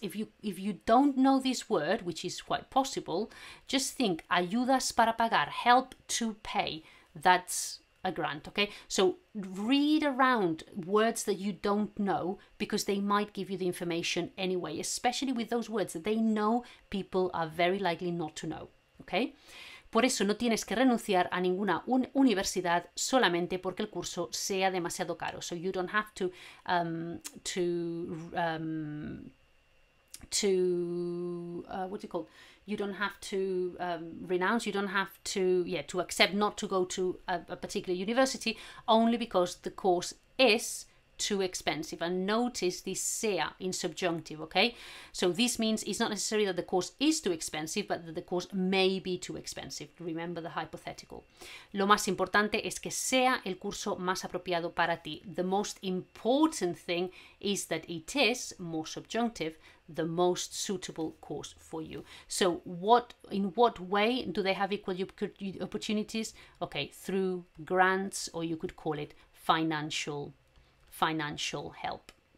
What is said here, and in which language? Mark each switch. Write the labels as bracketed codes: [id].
[en] If you don't know this word, which is quite possible, just think ayudas para pagar, help to pay. That's a grant, okay? So read around words that you don't know, because they might give you the information anyway, especially with those words that they know people are very likely not to know, okay? [es] Por eso no tienes que renunciar a ninguna universidad solamente porque el curso sea demasiado caro. [en] So you don't have to accept not to go to a particular university only because the course is too expensive. And notice this sea in subjunctive, okay? So this means it's not necessary that the course is too expensive, but that the course may be too expensive. Remember the hypothetical. [es] Lo más importante es que sea el curso más apropiado para ti. [en] The most important thing is that it is, more subjunctive, the most suitable course for you. So in what way do they have equal opportunities? Okay, through grants, or you could call it financial help.